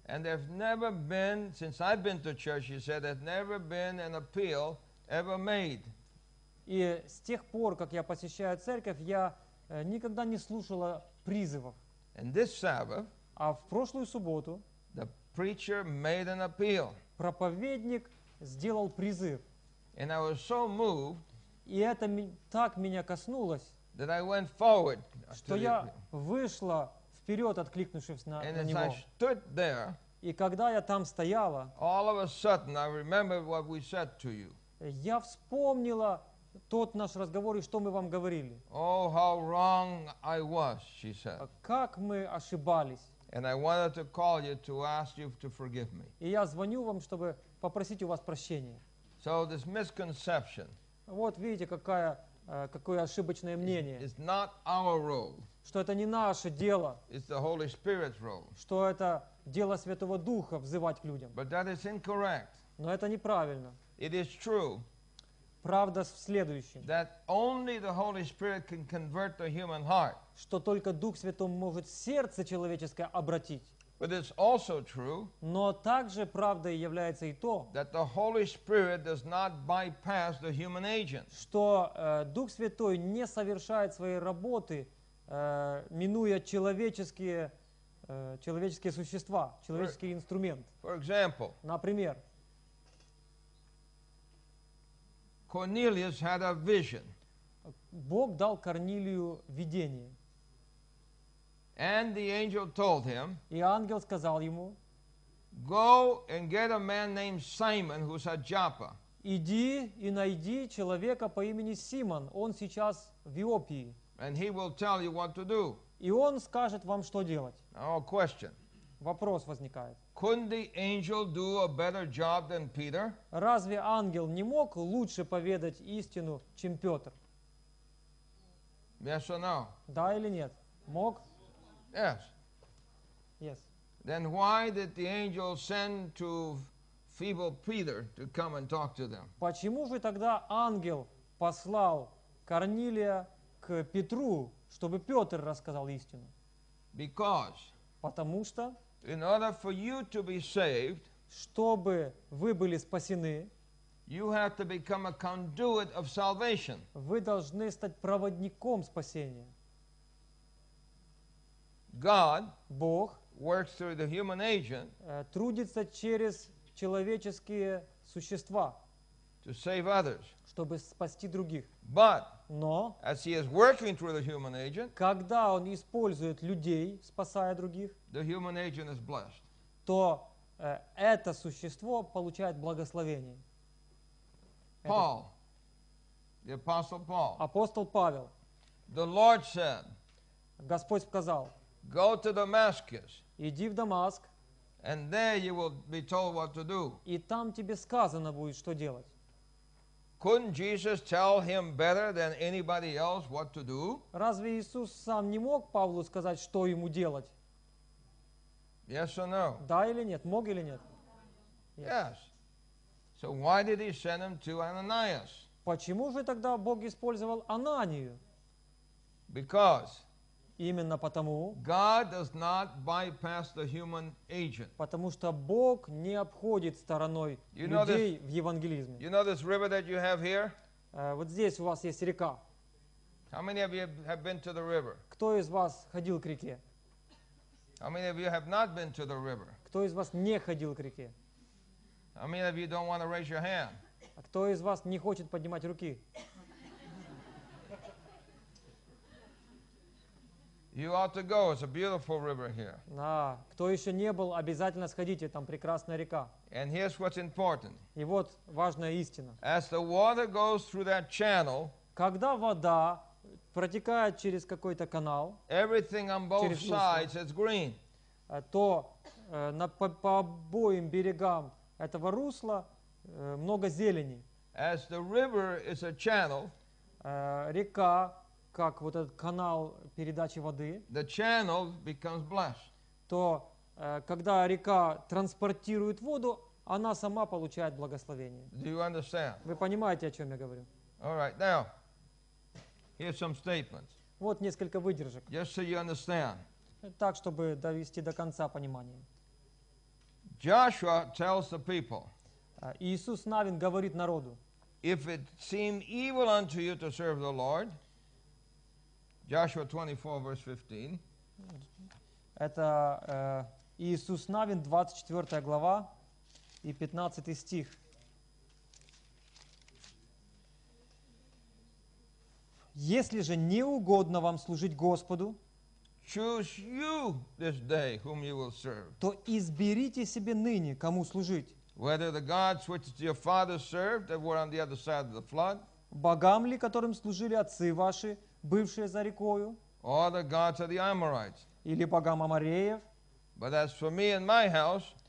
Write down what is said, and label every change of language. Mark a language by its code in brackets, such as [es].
[en] And there have never been, since I've been to church, she said, there's never been an appeal ever made. [ru] И с тех пор, как я посещаю церковь, я никогда не слушала призывов. [en] And this Sabbath, [ru] а в прошлую субботу, [en] the preacher made an appeal. [ru] Проповедник сделал призыв. [en] And I was so moved. [ru] И это так меня коснулось, [en] that I went forward. [ru] Что я вышла вперед, откликнувшись на него. [en] There, [ru] и когда я там стояла, [en] all of a sudden I remembered what we said to you. [ru] Я вспомнила тот наш разговор и что мы вам говорили. [en] Oh, how wrong I was, she said. [ru] Как мы ошибались. [en] And I wanted to call you to ask you to forgive me. [ru] И я звоню вам, чтобы попросить у вас прощения. [en] So this misconception. [ru] Вот видите, какая, какое ошибочное мнение. [en] It's not our role. [ru] Что это не наше дело. [en] It's the Holy Spirit's role. [ru] Что это дело Святого Духа взывать к людям. [en] But that is incorrect. [ru] Но это неправильно. [en] It is true. [ru] Правда в следующем. [en] That only the Holy Spirit can convert the human heart. [ru] Что только Дух Святой может сердце человеческое обратить. [en] But it's also true. [ru] Но также правдой является и то. [en] That the Holy Spirit does not bypass the human agent. [ru] Что Дух Святой не совершает своей работы минуя человеческие существа, человеческий инструмент. [en] For example, [ru] например, [en] Cornelius had a vision. [ru] Бог дал Корнилию видение. [en] And the angel told him, [ru] и ангел сказал ему, [en] go and get a man named Simon who's at Joppa. [ru] Иди и найди человека по имени Симон. Он сейчас в Иопии. [en] And he will tell you what to do. [ru] И он скажет вам, что делать. [en] Now a question. [ru] Вопрос возникает. [en] Couldn't the angel do a better job than Peter? [ru] Разве ангел не мог лучше поведать истину, чем Петр? [en] Yes or no? [ru] Да или нет? Мог? [en] Yes. Yes. Then why did the angel send to feeble Peter to come and talk to them? [ru] Почему же тогда ангел послал Корнилия к Петру, чтобы Петр рассказал истину? [en] Because. [ru] Потому что. [en] In order for you to be saved, [ru] чтобы вы были спасены, [en] you have to become a conduit of salvation. [ru] Вы должны стать проводником спасения. [en] God, [ru] Бог, [en] works through the human agent, [ru] трудится через человеческие существа, [en] to save others, [ru] чтобы спасти других. [en] But, [ru] но, [en] as he is working through the human agent, [ru] когда он использует людей, спасая других, [en] the human agent is blessed. [ru] То это существо получает благословение. [en] Paul, the apostle Paul, [ru] апостол Павел, [en] the Lord said, [ru] Господь сказал, [en] go to Damascus, [ru] иди в Дамаск, [en] and there you will be told what to do. [ru] И там тебе сказано будет, что делать. [en] Couldn't Jesus tell him better than anybody else what to do? [ru] Разве Иисус сам не мог Павлу сказать, что ему делать? [en] Yes or no? [ru] Да или нет? Мог или нет? [en] Yes. So why did he send him to Ananias? [ru] Почему же тогда Бог использовал Ананию? [en] Because. [ru] Именно потому. [en] God does not bypass the human agent. [ru] Потому что Бог не обходит стороной людей в евангелизме. [en] You know this river that you have here? [ru] Вот здесь у вас есть река. [en] How many of you have been to the river? [ru] Кто из вас ходил к реке? [en] How many of you have not been to the river? [ru] Кто из вас не ходил к реке? [en] How many of you don't want to raise your hand? [ru] А кто из вас не хочет поднимать руки? [en] You ought to go. It's a beautiful river here. [ru] Да, кто еще не был, обязательно сходите. Там прекрасная река. [en] And here's what's important. [ru] И вот важная истина. [en] As the water goes through that channel, [ru] когда вода протекает через какой-то канал, [en] everything on both sides is green. [ru] То по обоим берегам этого русла много зелени. [en] As the river is a channel, [ru] река, как вот этот канал передачи воды, [en] the channel becomes blessed. [ru] То когда река транспортирует воду, она сама получает благословение. [en] Do you understand? [ru] Вы понимаете, о чем я говорю? [en] All right, now, here's some statements. [ru] Вот несколько выдержек. [en] Just so you understand. [ru] Так, чтобы довести до конца понимание. [en] Joshua tells the people, [ru] Иисус Навин говорит народу, [en] if it seem evil unto you to serve the Lord, Joshua 24, verse 15, [ru] это Иисус Навин, 24 глава и 15 стих. Если же не угодно вам служить Господу, [en] choose you this day whom you will serve. [ru] То изберите себе ныне, кому служить. [en] Whether the gods which your fathers served that were on the other side of the flood. [ru] Богам ли, которым служили отцы ваши, бывшие за рекою. [en] Or the gods of the Amorites. [ru] Или богам Амореев. [en] But as for me and my house,